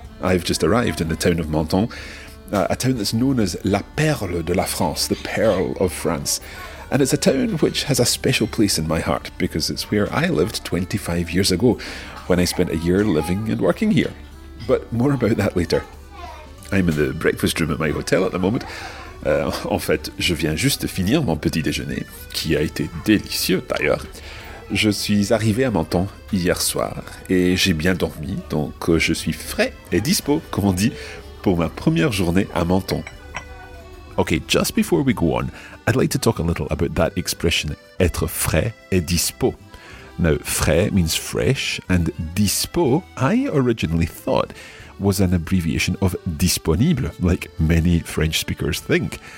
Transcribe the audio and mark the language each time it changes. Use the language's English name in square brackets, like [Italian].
[English] I've just arrived in the town of Menton, a town that's known as La Perle de la France, the Pearl of France. And it's a town which has a special place in my heart because it's where I lived 25 years ago when I spent a year living and working here. But more about that later. I'm in the breakfast room at my hotel at the moment. [French] En fait, je viens juste de finir mon petit déjeuner, qui a été délicieux d'ailleurs. Je suis arrivé à Menton hier soir et j'ai bien dormi, donc je suis frais et dispo, comme on dit, pour ma première journée à Menton. [English] Okay, just before we go on, I'd like to talk a little about that expression, être frais et dispo. Now, frais means fresh, and dispo, I originally thought, was an abbreviation of disponible, like many French speakers think.